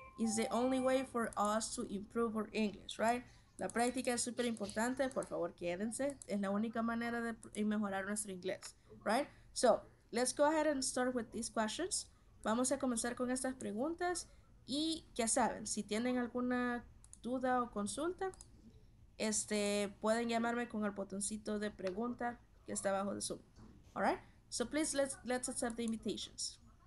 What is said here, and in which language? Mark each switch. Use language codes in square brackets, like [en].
[en] It's the only way for us to improve our English, right? [es] La práctica es súper importante. Por favor, quédense. Es la única manera de mejorar nuestro inglés, right? [en] So, let's go ahead and start with these questions. [es] Vamos a comenzar con estas preguntas. Y ya saben, si tienen alguna duda o consulta, pueden llamarme con el botoncito de pregunta que está abajo de Zoom. [en] All right? So please, let's accept the invitations.